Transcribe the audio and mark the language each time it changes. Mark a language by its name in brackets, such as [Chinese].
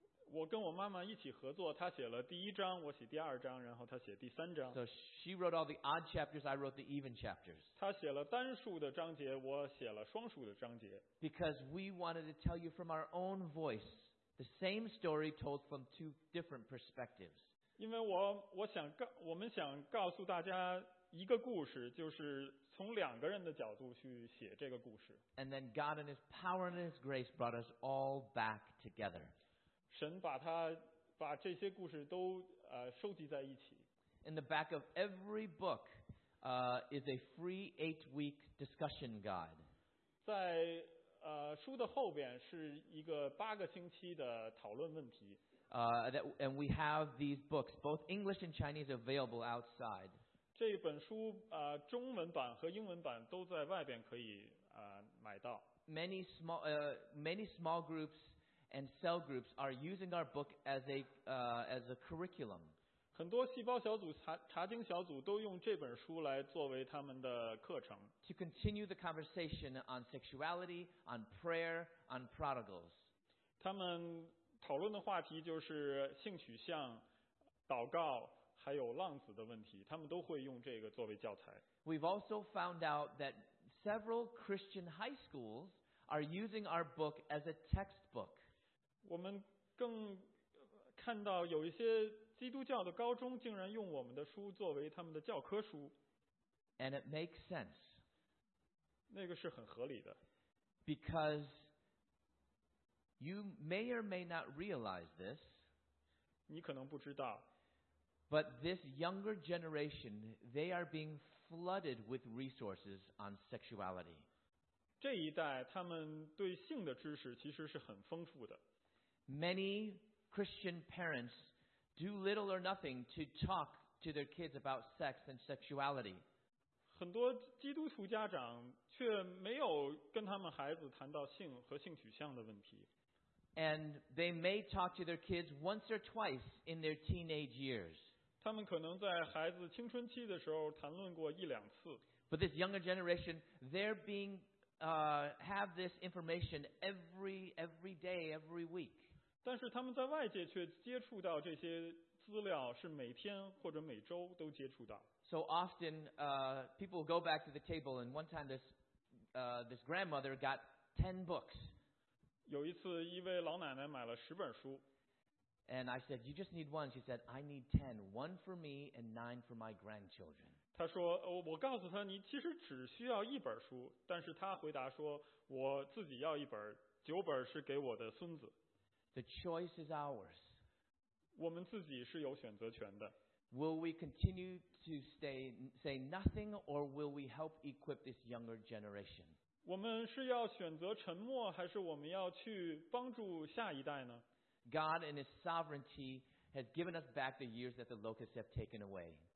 [Chinese] 我跟我妈妈一起合作，她写了第一章，我写第二章，然后她写第三章。 [English] So she wrote all the odd chapters, I wrote the even chapters. [Chinese] 她写了单数的章节，我写了双数的章节。 [English] Because we wanted to tell you from our own voice. The same story told from two different perspectives. [Chinese] 因为我们想告诉大家一个故事，就是从两个人的角度去写这个故事。 [English] And then God in His power and His grace brought us all back together. [Chinese] 神把这些故事都收集在一起。 [English] In the back of every book, is a free 8-week discussion guide. [Chinese] 在书的后边是一个八个星期的讨论问题。 [English] And we have these books, both English and Chinese, available outside. [Chinese] 这本书中文版和英文版都在外边可以买到。 [English] Many small groups and cell groups are using our book as a curriculum. [Chinese] 很多细胞小组、查经小组都用这本书来作为他们的课程。 [English] To continue the conversation on sexuality, on prayer, on prodigals. [Chinese] 他们讨论的话题就是性取向、祷告，还有浪子的问题，他们都会用这个作为教材。 [English] We've also found out that several Christian high schools are using our book as a textbook. [Chinese] 我们更看到有一些基督教的高中竟然用我们的书作为他们的教科书。 [English] And it makes sense. [Chinese] 那个是很合理的。 [English] Because you may or may not realize this. [Chinese] 你可能不知道。 [English] But this younger generation, they are being flooded with resources on sexuality. [Chinese] 这一代他们对性的知识其实是很丰富的。 [English] Many Christian parents do little or nothing to talk to their kids about sex and sexuality. [Chinese] 很多基督徒家长却没有跟他们孩子谈到性和性取向的问题。 [English] And they may talk to their kids once or twice in their teenage years. [Chinese] 他们可能在孩子青春期的时候谈论过一两次。 [English] But this younger generation, they're being, have this information every day, every week. [Chinese] 但是他们在外界却接触到这些资料，是每天或者每周都接触到。 [English] So often, people go back to the table, and one time this grandmother got 10 books. [Chinese] 有一次，一位老奶奶买了十本书。 [English] And I said, "You just need one." She said, "I need 10. One for me and 9 for my grandchildren." [Chinese] 她说，我告诉她，你其实只需要一本书，但是她回答说，我自己要一本，九本是给我的孙子。 [English] The choice is ours. [Chinese] 我们自己是有选择权的。 [English] Will we continue to say nothing, or will we help equip this younger generation? [Chinese] 我们是要选择沉默，还是我们要去帮助下一代呢？ [English] God in His sovereignty has given us back the years that the locusts have taken away.